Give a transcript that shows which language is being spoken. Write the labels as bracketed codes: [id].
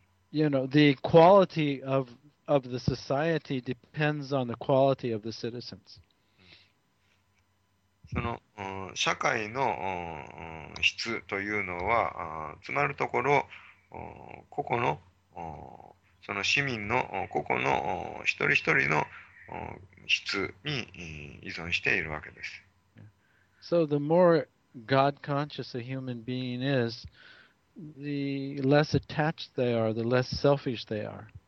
[en] The quality of the society depends on the quality of the citizens. [ja] その社会の質というのは、つまるところ、個々の、その市民の個々の一人一人の質に依存しているわけです。 [en] So the more God conscious a human being is, the less attached they are, the less selfish they are.